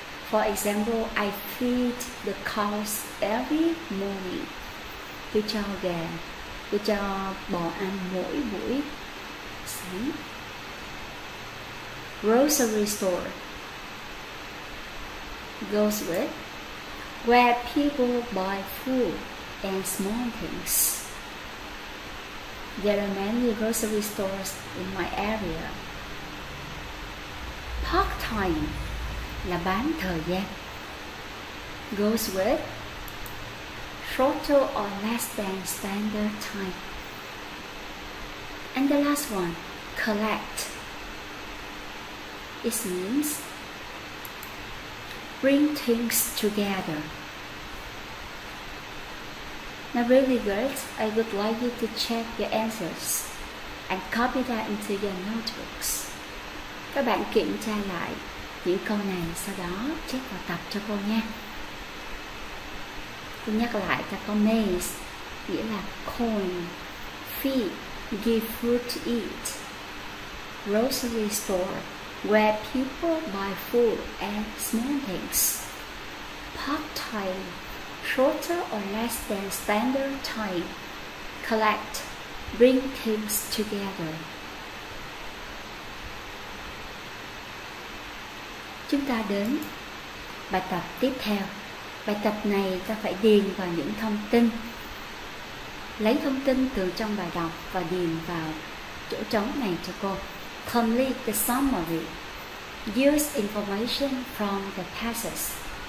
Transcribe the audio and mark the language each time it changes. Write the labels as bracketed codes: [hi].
[en] For example, I feed the cows every morning. [vi] Tôi cho gà, tôi cho bò ăn mỗi buổi sáng. [en] Grocery store goes with where people buy food and small things. There are many grocery stores in my area. Park time [vi] là bán thời gian, [en] goes with shorter or less than standard time. And the last one, collect, it means bring things together. Now really good, I would like you to check your answers and copy that into your notebooks. [vi] Các bạn kiểm tra lại những câu này, sau đó check vào tập cho cô nha. Cô nhắc lại cho cô: [en] maize [vi] nghĩa là [en] corn, feed give food to eat, grocery store where people buy food and small things, park time shorter or less than standard time, collect bring things together. [vi] Chúng ta đến bài tập tiếp theo. Bài tập này ta phải điền vào những thông tin, lấy thông tin từ trong bài đọc và điền vào chỗ trống này cho cô. [en] Complete the summary. Use information from the passage.